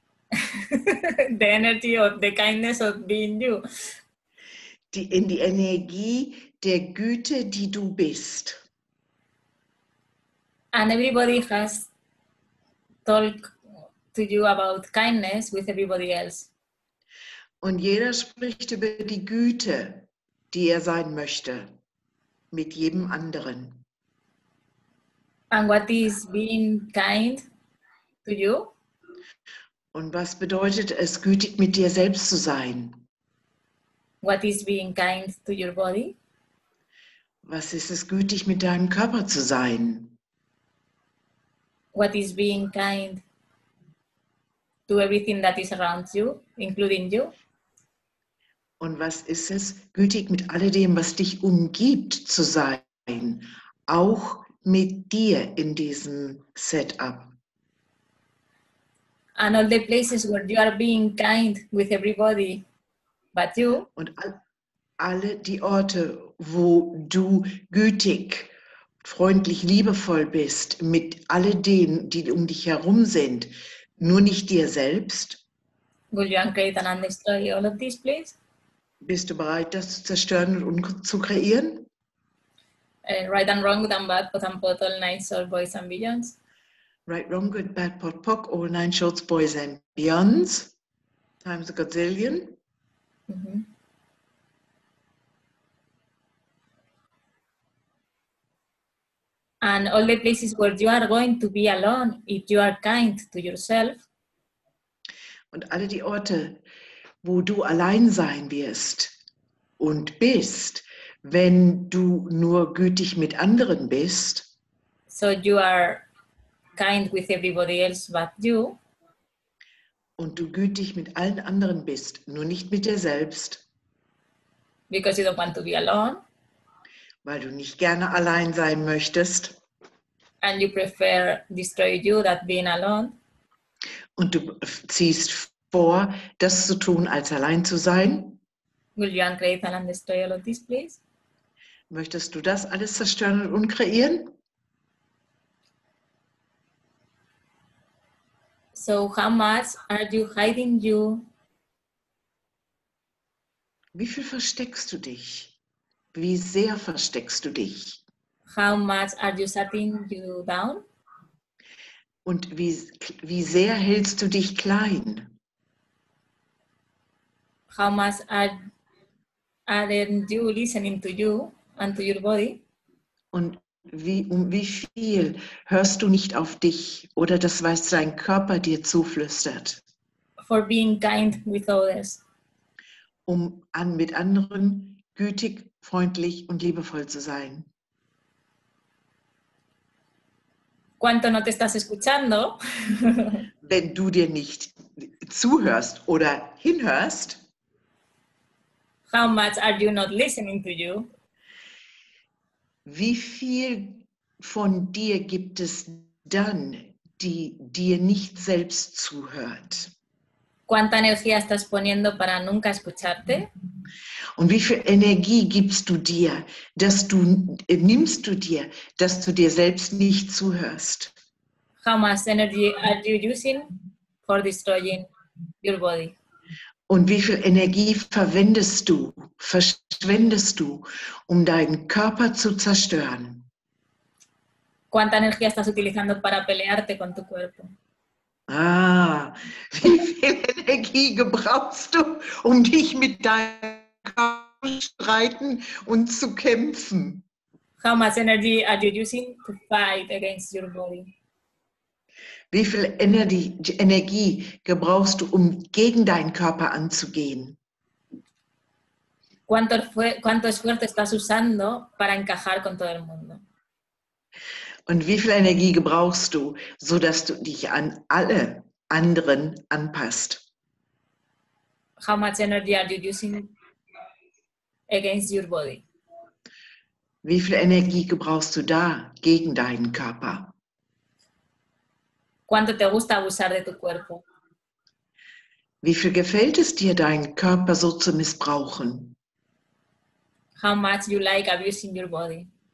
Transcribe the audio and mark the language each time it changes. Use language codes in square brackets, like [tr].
[en] The energy of the kindness of being you. [de] In die Energie der Güte, die du bist. [en] And everybody has talk to you about kindness with everybody else. [de] Und jeder spricht über die Güte, die er sein möchte, mit jedem anderen. [en] And what is being kind to you? [de] Und was bedeutet es, gütig mit dir selbst zu sein? [en] What is being kind to your body? [de] Was ist es, gütig mit deinem Körper zu sein? [en] What is being kind to everything that is around you, including you? [de] Und was ist es, gütig mit alledem, was dich umgibt, zu sein, auch mit dir in diesem Setup? [en] And all the places where you are being kind with everybody, but you? [de] Und alle die Orte, wo du gütig, freundlich, liebevoll bist, mit all denen, die um dich herum sind, nur nicht dir selbst? [en] Will you uncreate and destroy all of these, please? [de] Bist du bereit, das zu zerstören und zu kreieren? [en] Right and wrong, good and bad, pot and pot, all nine short boys and beyonds. Right, wrong, good, bad, pot, pock, all nine short boys and beyonds. Times a gazillion. And all the places where you are going to be alone, if you are kind to yourself. [de] Und alle die Orte, wo du allein sein wirst und bist, wenn du nur gütig mit anderen bist. [en] So you are kind with everybody else but you. [de] Und du gütig mit allen anderen bist, nur nicht mit dir selbst. [en] Because you don't want to be alone. [de] Weil du nicht gerne allein sein möchtest. [en] And you prefer destroy you than being alone. [de] Und du ziehst vor, das zu tun, als allein zu sein. [en] Will you uncreate and destroy all of this, please? [de] Möchtest du das alles zerstören und unkreieren? [en] So how much are you hiding you? [de] Wie viel versteckst du dich? Wie sehr versteckst du dich? [en] How much are you shutting you down? [de] Und wie sehr hältst du dich klein? [en] How much aren't you listening to you and to your body? [de] Und wie viel hörst du nicht auf dich oder das, was dein Körper dir zuflüstert? [en] For being kind with others. [de] Mit anderen gütig, freundlich und liebevoll zu sein. [es] Cuánto no te estás escuchando. [de] Wenn du dir nicht zuhörst oder hinhörst. [en] How much are you not listening to you? [de] Wie viel von dir gibt es dann, die dir nicht selbst zuhört? [es] ¿Cuánta energía estás poniendo para nunca escucharte? [de] Und wie viel Energie gibst du dir, dass du nimmst du dir, dass du dir selbst nicht zuhörst? [en] How much energy are you using for destroying your body. [de] Und wie viel Energie verschwendest du, um deinen Körper zu zerstören? [es] ¿Cuánta energía estás utilizando para pelearte con tu cuerpo? [de] Ah, wie viel Energie gebrauchst du, um dich mit deinem Körper zu streiten und zu kämpfen? [en] How much energy are you using to fight against your body? [de] Wie viel Energie gebrauchst du, um gegen deinen Körper anzugehen? [es] ¿Cuánto esfuerzo estás usando para encajar con todo el mundo? [de] Und wie viel Energie gebrauchst du, sodass du dich an alle anderen anpasst? [en] How much energy are you using against your body? [de] Wie viel Energie gebrauchst du da gegen deinen Körper? [es] ¿Cuánto te gusta abusar de tu cuerpo? [de] Wie viel gefällt es dir, deinen Körper so zu missbrauchen? [en] How much you like abusing your body?